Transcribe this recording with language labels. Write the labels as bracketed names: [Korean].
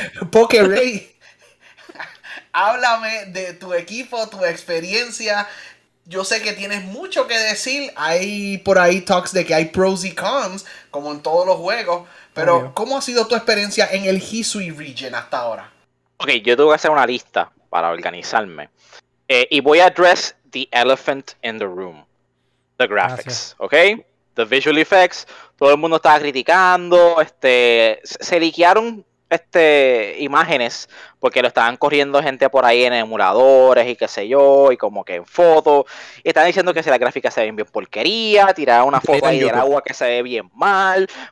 [Spanish] Poké Ray, háblame de tu equipo, tu experiencia. Yo sé que tienes mucho que decir. Hay por ahí talks de que hay pros y cons, como en todos los juegos. Pero, obvio, ¿cómo ha sido tu experiencia en el Hisui Region hasta ahora? Ok, yo tuve que hacer una lista para organizarme. Y voy a [English] address the elephant in the room. The graphics, [Spanish] gracias. ¿Ok? [English] The visual effects. [Spanish] Todo el mundo estaba criticando. Se liquearon imágenes porque lo estaban corriendo gente por ahí en emuladores y qué sé yo, y como que en fotos. Y estaban diciendo que si las gráficas se ven bien porquería, tiraron una foto ahí del agua que se ve bien mal.